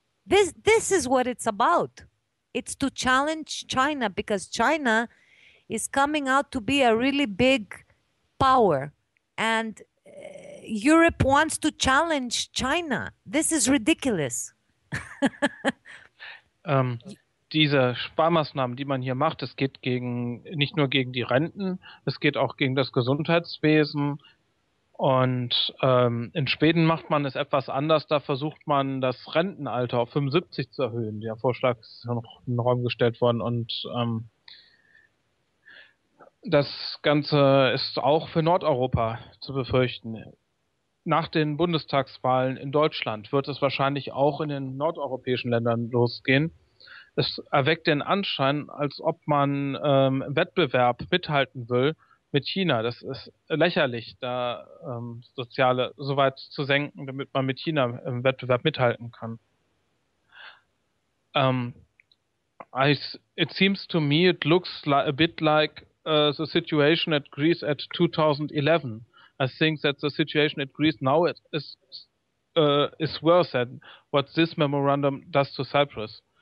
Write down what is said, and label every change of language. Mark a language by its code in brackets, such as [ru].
[en] This is what it's about. It's to challenge China, because China is coming out to be a really big power, and Europe wants to challenge China. This is ridiculous. [de] Diese Sparmaßnahmen, die man hier macht, es geht gegen nicht nur gegen die Renten, es geht auch gegen das Gesundheitswesen. Und in Schweden macht man es etwas anders. Da versucht man, das Rentenalter auf 75 zu erhöhen. Der Vorschlag ist ja noch in den Raum gestellt worden. Und das Ganze ist auch für Nordeuropa zu befürchten. Nach den Bundestagswahlen in Deutschland wird es wahrscheinlich auch in den nordeuropäischen Ländern losgehen. Es erweckt den Anschein, als ob man im Wettbewerb mithalten will mit China. Das ist lächerlich, da Soziale so weit zu senken, damit man mit China im Wettbewerb mithalten kann. [en] It seems to me it looks a bit like the situation at Greece at 2011. I think that the situation at Greece now is worse than what this memorandum does to Cyprus.